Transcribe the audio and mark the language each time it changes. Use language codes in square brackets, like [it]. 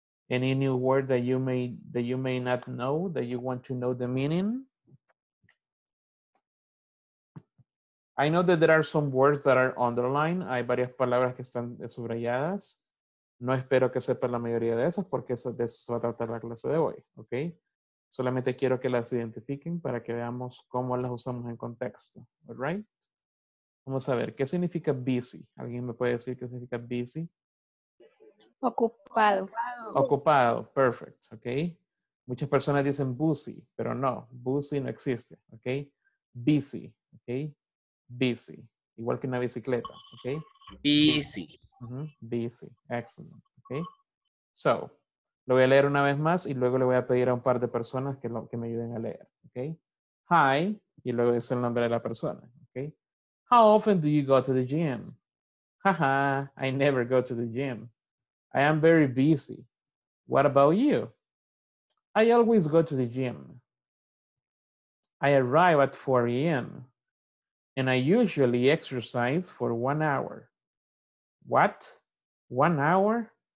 [en] Any new word that you may not know, that you want to know the meaning? I know that there are some words that are underlined. [es] Hay varias palabras que están subrayadas. No espero que sepan la mayoría de esas porque de eso se va a tratar la clase de hoy, okay? Solamente quiero que las identifiquen para que veamos cómo las usamos en contexto, [en] all right? [es] Vamos a ver, ¿qué significa busy? ¿Alguien me puede decir qué significa busy? Ocupado. Ocupado, [en] perfect, [es] okay? Muchas personas dicen busy, pero no, busy no existe, okay? Busy, okay? Busy, igual que una bicicleta, okay? [en] Busy. Uh-huh. Busy, excellent, okay? [es] So, lo voy a leer una vez más y luego le voy a pedir a un par de personas que me ayuden a leer, okay? Hi, y luego dice el nombre de la persona, okay? [en] How often do you go to the gym? Haha, I never go to the gym. I am very busy. What about you? I always go to the gym. I arrive at 4 a.m. and I usually exercise for 1 hour. What? 1 hour?